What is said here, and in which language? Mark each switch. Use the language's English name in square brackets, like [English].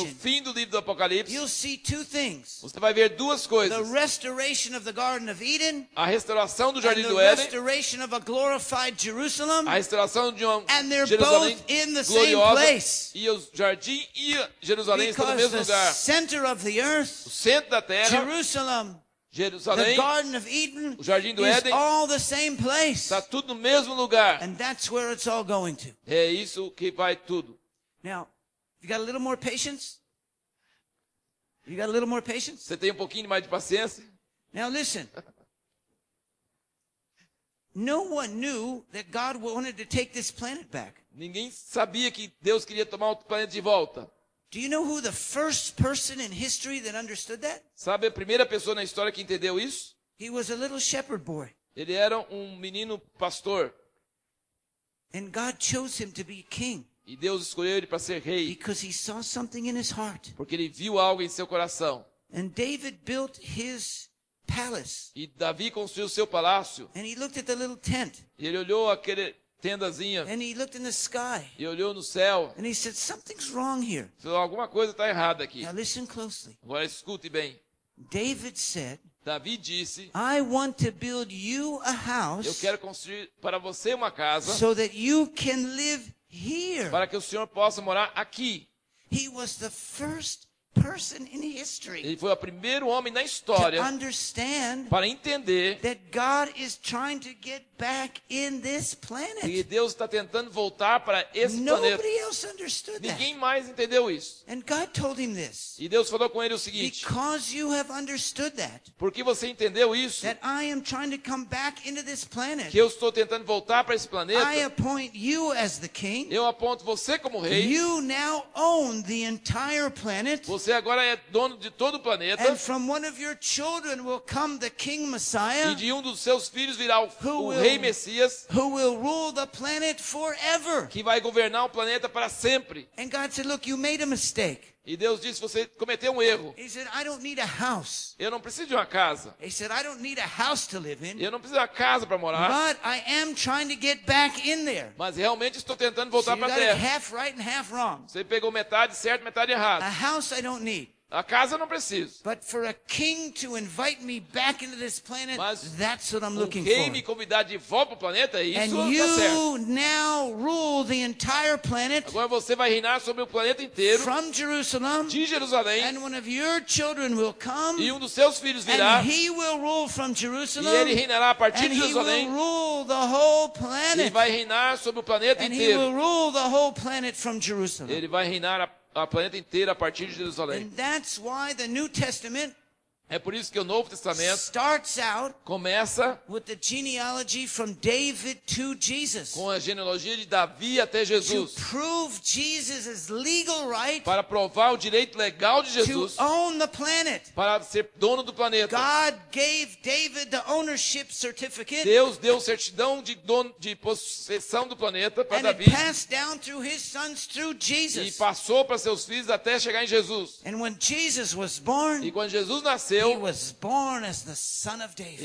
[Portuguese] no fim do livro do Apocalipse, [English] you'll see two things. [Portuguese] Você vai ver duas coisas: [English] the restoration of the Garden of Eden, [Portuguese] a restauração do Jardim [English] and [Portuguese] do Éden, [English] restoration of a glorified Jerusalem, [Portuguese] a restauração de uma [English] and they're [Portuguese] Jerusalém [English] both in the [Portuguese] gloriosa, [English] same place. [Portuguese] E o Jardim e Jerusalém estão no mesmo [English] the [Portuguese] lugar. [English] Center of the earth, [Portuguese] o centro da terra, Jerusalém. Jerusalém, [English] the Garden of Eden, [Portuguese] o Jardim do Éden, [English] all the same place. [Portuguese] Está tudo no mesmo lugar. [English] And that's where it's all going to. [Portuguese] É isso que vai tudo. [English] Now, you got a little more patience? You got a little more patience? [Portuguese] Você tem um pouquinho mais de paciência? [English] Now listen. No one knew that God wanted to take this planet back. [Portuguese] Ninguém sabia que Deus queria tomar o planeta de volta. [English] Do you know who the first person in history that understood that? [Portuguese] Sabe a primeira pessoa na história que entendeu isso? [English] He was a little shepherd boy. [Portuguese] Ele era um menino pastor. [English] And God chose him to be king. [Portuguese] E Deus escolheu ele para ser rei. [English] Because he saw something in his heart. [Portuguese] Porque ele viu algo em seu coração. [English] And David built his palace. [Portuguese] E Davi construiu seu palácio. [English] And he looked at the little tent. [Portuguese] E ele olhou aquele tendazinha. [English] And he looked in the sky. [Portuguese] E olhou no céu. [English] And he said, something's wrong here. [Portuguese] Falou, alguma coisa está errada aqui. [English] Now listen closely. [Portuguese] Agora escute bem. [English] David said, [Portuguese] Davi disse, [English] I want to build you a house. [Portuguese] Eu quero construir para você uma casa. [English] So that you can live here. [Portuguese] Para que o senhor possa morar aqui. [English] He was the first person in history. [Portuguese] Ele foi o primeiro homem na história. [English] To understand. [Portuguese] Para entender. [English] That God is trying to get back in this planet. [Portuguese] E Deus está tentando voltar para esse planeta. [English] Nobody else understood that. [Portuguese] Ninguém mais entendeu isso. [English] And God told him this. [Portuguese] E Deus falou com ele o seguinte. [English] Because you have understood that. [Portuguese] Porque você entendeu isso. [English] That I am trying to come back into this planet. [Portuguese] Que eu estou tentando voltar para esse planeta. [English] I appoint you as the king. [Portuguese] Eu aponto você como rei. [English] You now own the entire planet. [Portuguese] Você agora é dono de todo o planeta. [English] And from one of your children will come the king Messiah. [Portuguese] E de um dos seus filhos virá o rei Messias, [English] who will rule the planet forever. [Portuguese] Que vai governar o planeta para sempre. [English] And God said, look, you made a mistake. [Portuguese] E Deus disse, você cometeu um erro. [English] He said, I don't need a house. [Portuguese] Eu não preciso de uma casa. [English] He said, I don't need a house to live in. [Portuguese] Eu não preciso de uma casa para morar. [English] But I am trying to get back in there. [Portuguese] Mas realmente estou tentando voltar [English] so [Portuguese] para a terra. [English] Half right and half wrong. [Portuguese] Você pegou metade certo, metade errado. [English] A house I don't need. [Portuguese] A casa eu não preciso. [English] But for a king to invite me back into this planet, [Portuguese] mas [English] that's what I'm looking for. [Portuguese] Me convidar de volta para o planeta, isso [English] and [Portuguese] tá [English] you [Portuguese] certo. [English] Now rule the entire planet. [Portuguese] Agora você vai reinar sobre o planeta inteiro. [English] From Jerusalem. [Portuguese] De Jerusalém. [English] And one of your children will come. [Portuguese] E um dos seus filhos virá. [English] And he will rule from Jerusalem. [Portuguese] E ele reinará a partir [English] and [Portuguese] de Jerusalém. [English] And he will rule the whole planet. [Portuguese] E vai reinar sobre o planeta [English] and [Portuguese] inteiro. [English] He will rule the whole planet from Jerusalem. [Portuguese] Ele vai reinar a planeta inteira a partir de Jerusalém. [English] And that's why the New Testament [Portuguese] é por isso que o Novo Testamento [English] starts out [Portuguese] começa [English] with the genealogy from David to Jesus, [Portuguese] com a genealogia de Davi até Jesus, [English] to prove Jesus's legal right, [Portuguese] para provar o direito legal de Jesus, [English] to own the planet, [Portuguese] para ser dono do planeta. [English] God gave David the ownership certificate, [Portuguese] Deus deu certidão de dono, de possessão do planeta para Davi, [English] and passed down through his sons through Jesus, [Portuguese] e passou para seus filhos até chegar em Jesus. [English] And when Jesus was born, [Portuguese] e quando Jesus nasceu, [English] he was born as the son of David.